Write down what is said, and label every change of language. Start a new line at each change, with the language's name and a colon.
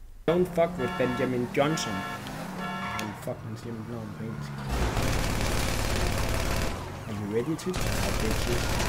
English: Don't fuck with Benjamin Johnson.
Danish: Oh, fuck, han siger mit navn på engelsk.
English: Are you ready to die, bitches?